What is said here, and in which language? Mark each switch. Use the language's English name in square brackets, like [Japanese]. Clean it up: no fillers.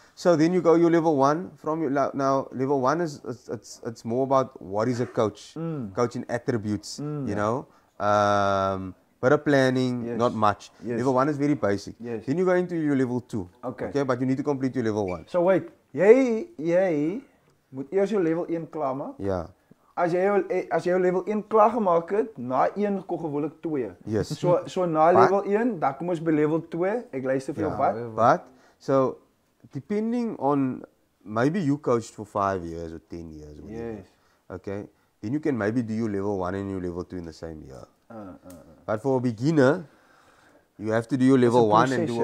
[English] So then you go your level one from your now level one is it's more about what is a coach, coaching attributes, know, but a planning, not much. Yes. Level one is very basic. Yes. Then you go into your level two. Okay. Okay, but you need to complete your level one. So wait, [Afrikaans] jy moet eers jou level 1 klaar maak. Ja. As jy jou level 1 klaar gemaak het, na 1 kom gewoonlik 2. [English] Yes. [Afrikaans] So na level 1, dan kom ons by level 2. Ek luister vir jou wat. Wat? [English] So depending on, maybe you coached for 5 years or 10 years. Or whatever, yes. Okay. Then you can maybe do your level one and your level two in the same year. Uh. But for a beginner, you have to do your level one and do